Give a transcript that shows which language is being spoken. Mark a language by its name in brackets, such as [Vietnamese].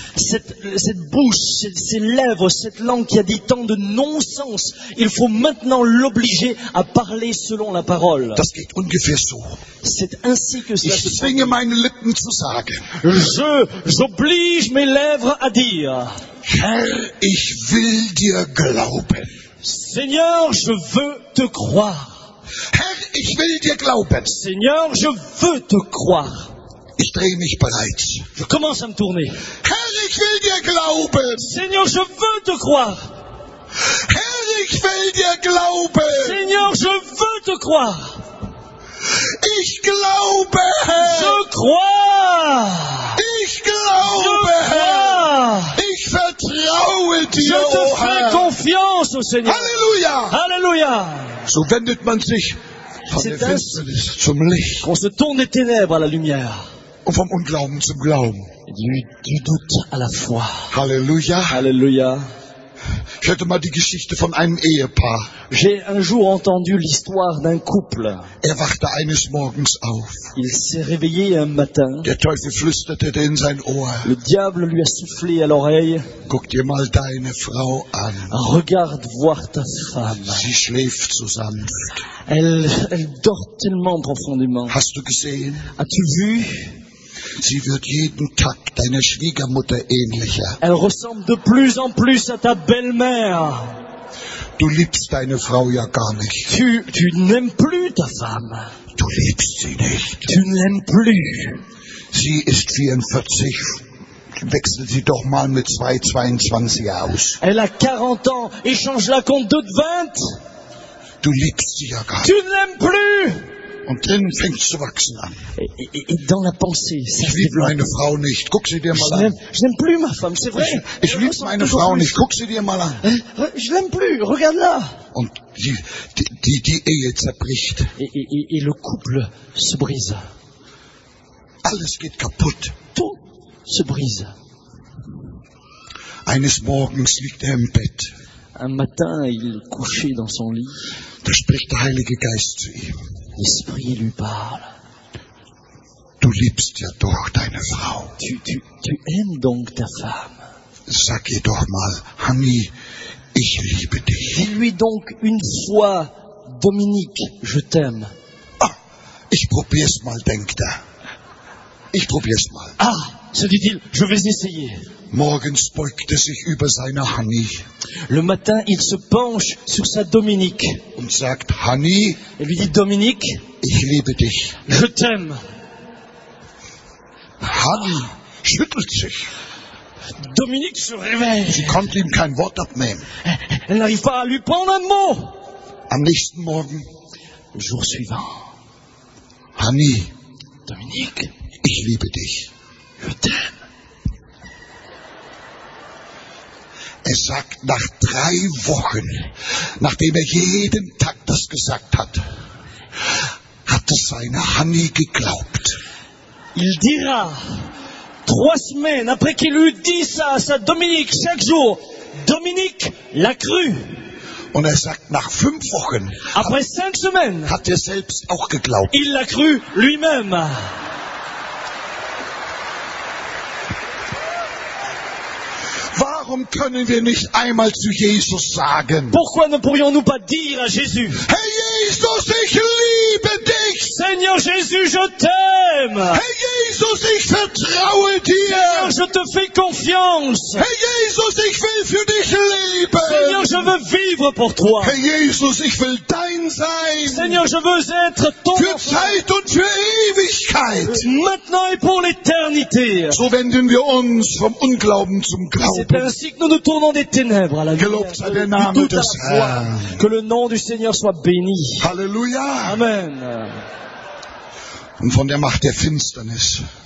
[French] Cette bouche, ces lèvres, cette langue qui a dit tant de non-sens, il faut maintenant l'obliger à parler selon la parole. [German] Das geht ungefähr so. [French] C'est ainsi que [German] ich zwinge meine Lippen zu sagen. [French] J'oblige mes lèvres à dire. [German] Herr, ich will dir glauben. [French] Seigneur, je veux te croire. [German] Herr, ich will dir glauben. [French] Seigneur, je veux te croire. [German] Ich drehe mich bereits. [French] Je commence à me tourner. [German] Herr, ich will dir glauben. [French] Seigneur, je veux te croire. [German] Herr, ich will dir glauben. [French] Seigneur, je veux te croire. [German] Ich glaube. [French] Je crois. [German] Ich glaube. [French] Je crois. [German] Ich vertraue dir. [French] Je te fais confiance au Seigneur. [German] Alléluia. [French] Alléluia. [German] So wendet man sich von der Finsternis zum Licht. [French] On se tourne des ténèbres à la lumière. [German] Und vom Unglauben zum Glauben. [French] Du doute à la foi. [German] Alléluia. [French] Alléluia. [German] Ich hörte mal die Geschichte von einem Ehepaar. [French] J'ai un jour entendu l'histoire d'un couple. [German] Er wachte eines Morgens auf. [French] Il s'est réveillé un matin. [German] Der Teufel flüsterte in sein Ohr. [French] Le diable lui a soufflé à l'oreille. [German] Guck dir mal deine Frau an. [French] Regarde voir ta femme. [German] Sie schläft so sanft. [French] Elle dort tellement profondément. [German] Hast du gesehen? [French] As-tu vu? [German] Sie wird jeden Tag deiner Schwiegermutter ähnlicher. [French] Elle ressemble de plus en plus à ta belle-mère. [German] Du liebst deine Frau ja gar nicht. [French] Tu n'aimes plus ta femme. [German] Du liebst sie nicht. [French] Tu ne l'aimes plus. [German] Sie ist 44. Wechsel sie doch mal mit 22 aus. [French] Elle a 40 ans. Échange la contre 20. [German] Du liebst sie ja gar [French] nicht. Tu ne l'aimes plus. [German] Und drin fängt es zu wachsen an. [French] Et dans la pensée, [German] ich liebe meine Frau nicht. Guck sie dir mal an. [French] Je n'aime plus ma femme, c'est vrai. [German] Ich liebe meine Frau nicht. Guck sie dir mal an. [French] Je l'aime plus, regarde-la. [German] Und die Ehe zerbricht. [French] Et le couple se brise. [German] Alles geht kaputt. [French] Tout se brise. [German] Eines Morgens liegt er im Bett. [French] Un matin, il couchait dans son lit. [German] Da spricht der Heilige Geist zu ihm. [French] L'Esprit lui parle. [German] Du liebst ja doch deine Frau. [French] Tu aimes donc ta femme. [German] Sag ihr doch mal, Honey, ich liebe dich. [French] Dis-lui donc une fois, Dominique, je t'aime. [German] Ah, ich probier's mal, denkt er. Ich probier's mal. [French] Ah, se dit-il, je vais essayer. [German] Morgens beugt er sich über seine Honey. [French] Le matin, il se penche sur sa Dominique. [German] Und sagt, Honey, [French] et lui dit, Dominique, [German] ich liebe dich. [French] Je t'aime. [German] Honey schüttelt sich. [French] Dominique se réveille. [German] Sie konnte ihm kein Wort abnehmen. [French] Elle n'arrive pas à lui prendre un mot. [German] Am nächsten Morgen, [French] le jour suivant, [German] Honey, [French] Dominique, [German] ich liebe dich. [French] Je t'aime. [German] Er sagt, nach drei Wochen, nachdem er jeden Tag das gesagt hat, hat es seine Honey geglaubt. [French] Il dira, trois semaines après qu'il eut dit ça à sa Dominique chaque jour, Dominique l'a cru. [German] Und er sagt, nach fünf Wochen, [French] après cinq semaines, [German] hat er selbst auch geglaubt. [French] Il l'a cru lui-même. [German] Warum können wir nicht einmal zu Jesus sagen? [French] Pourquoi ne pourrions-nous pas dire à Jésus? [German] Hey Jesus, ich liebe dich. [French] Seigneur Jésus, je t'aime. [German] Hey Jesus, ich vertraue dir. [French] Seigneur, je te fais confiance. [German] Hey Jesus, ich will für dich leben. [French] Seigneur, je veux vivre pour toi. [German] Hey Jesus, ich will dein sein. [French] Seigneur, je veux être ton. [German] Für Zeit und für Ewigkeit. [French] Maintenant et pour l'éternité. [German] So wenden wir uns vom Unglauben zum Glauben. [French] C'est ainsi que nous nous tournons des ténèbres à la lumière, que le nom du Seigneur soit béni. Alléluia. Amen. [German] Und von der Macht der Finsternis.